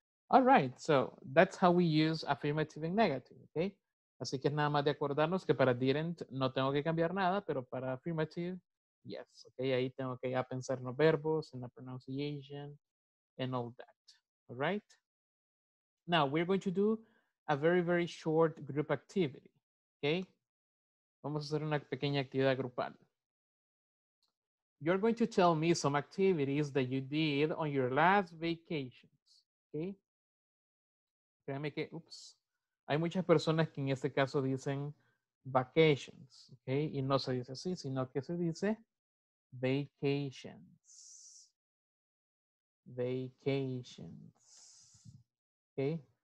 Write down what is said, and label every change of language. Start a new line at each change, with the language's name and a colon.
English: All right, so that's how we use affirmative and negative, okay?
Spanish: Así que nada más de acordarnos que para didn't no tengo que cambiar nada, pero para affirmative,
English: yes, okay?
Spanish: Ahí tengo que ya pensar en los verbos, en la pronunciation,
English: and all that, all right? Now, we're going to do a very, very short group activity, okay?
Spanish: Vamos a hacer una pequeña actividad grupal.
English: You're going to tell me some activities that you did on your last vacations, okay?
Spanish: Créanme que, ups, hay muchas personas que en este caso dicen vacations, ¿ok? Y no se dice así, sino que se dice vacations. Vacations. ¿Ok?